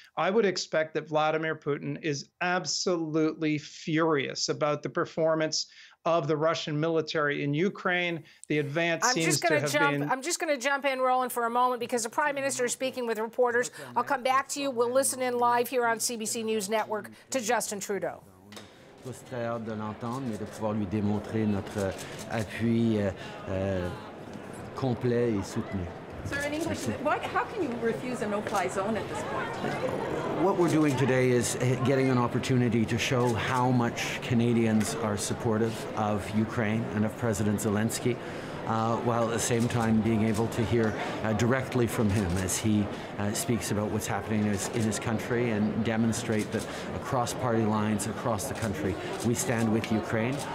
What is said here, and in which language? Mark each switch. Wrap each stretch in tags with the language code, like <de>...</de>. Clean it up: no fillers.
<en>I would expect that Vladimir Putin is absolutely furious about the performance of the Russian military in Ukraine. The advance seems to have been... I'm just going to jump in, Roland, for a moment, because the Prime Minister is speaking with reporters. I'll come back to you. We'll listen in live here on CBC News Network to Justin Trudeau.</en> <fr>Je suis très hâte de l'entendre, mais de pouvoir lui démontrer notre appui complet et soutenu.</fr> <en>Sir, in English, how can you refuse a no-fly zone at this point? What we're doing today is getting an opportunity to show how much Canadians are supportive of Ukraine and of President Zelensky, while at the same time being able to hear directly from him as he speaks about what's happening in his country and demonstrate that across party lines, across the country, we stand with Ukraine.</en>